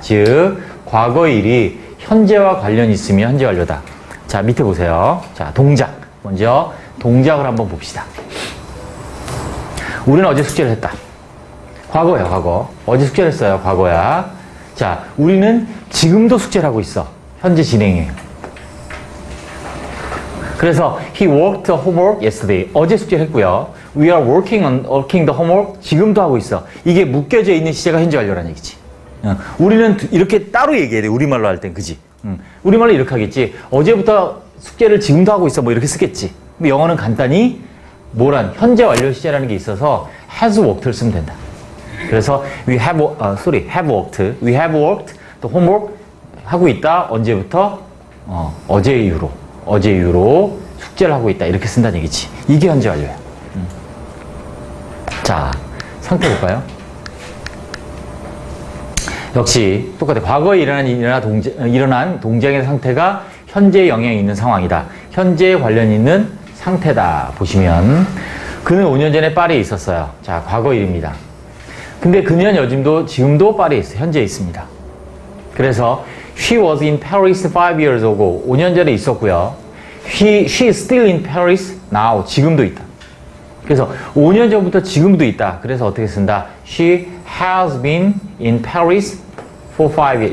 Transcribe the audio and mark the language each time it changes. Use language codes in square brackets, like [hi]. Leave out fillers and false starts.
[ko] 즉, 과거의 일이 현재와 관련이 있으면 현재 완료다. 자, 밑에 보세요. 자, 동작. 먼저 동작을 한번 봅시다. 우리는 어제 숙제를 했다. 과거야, 과거. 어제 숙제를 했어요, 과거야. 자, 우리는 지금도 숙제를 하고 있어. 현재 진행이에요. 그래서 [en] he worked the homework yesterday. [ko] 어제 숙제를 했고요. [en] We are working the homework. [ko] 지금도 하고 있어. 이게 묶여져 있는 시제가 현재 완료라는 얘기지. 우리는 이렇게 따로 얘기해야 돼. 우리말로 할 땐, 그지? 우리말로 이렇게 하겠지. 어제부터 숙제를 지금도 하고 있어. 뭐 이렇게 쓰겠지. 근데 영어는 간단히 뭐란 현재 완료 시제라는 게 있어서 has worked를 쓰면 된다. 그래서 [en] we have worked the homework [ko] 하고 있다. 언제부터? 어제 이후로 숙제를 하고 있다. 이렇게 쓴다는 얘기지. 이게 현재 완료야. 자, 상태 볼까요? 역시 똑같아. 과거에 일어난 동작의 상태가 현재에 영향이 있는 상황이다. 현재에 관련 있는 상태다. 보시면 그는 5년 전에 파리에 있었어요. 자, 과거 일입니다. 근데 그녀는 지금도 파리에 있어요. 현재에 있습니다. 그래서 [en] She was in Paris 5 years ago. [ko] 5년 전에 있었고요. [en] She is still in Paris now. [ko] 지금도 있다. 그래서 5년 전부터 지금도 있다. 그래서 어떻게 쓴다? [en] She has been in Paris for 5 years.